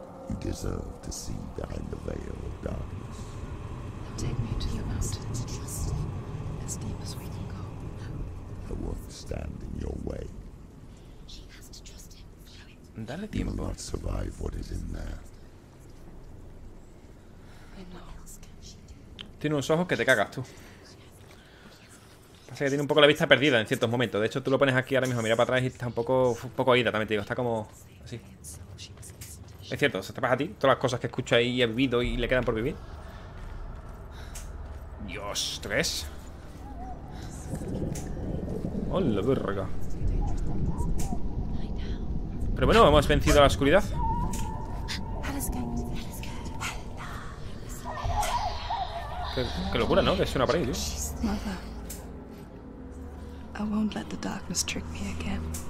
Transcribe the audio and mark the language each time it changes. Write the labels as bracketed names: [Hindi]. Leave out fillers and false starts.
[English] You deserve to see behind the veil of darkness. Take me to the mountains, as deep as we can go. stand in your way. She has to trust him. You will not survive what is in there. [Spanish] Tiene unos ojos que te cagas tú. Pasa que tiene un poco la vista perdida en ciertos momentos. De hecho, tú lo pones aquí ahora mismo, mira para atrás y está un poco oída, también te digo. Está como así. Es cierto, se te pasa a ti todas las cosas que escucha ahí y ha vivido y le quedan por vivir. Dios, ¿esto qué es? ¡Hola, verga! Pero bueno, hemos vencido a la oscuridad. Qué locura, ¿no? Que es una pared, tío. [English] I won't let the darkness trick me again.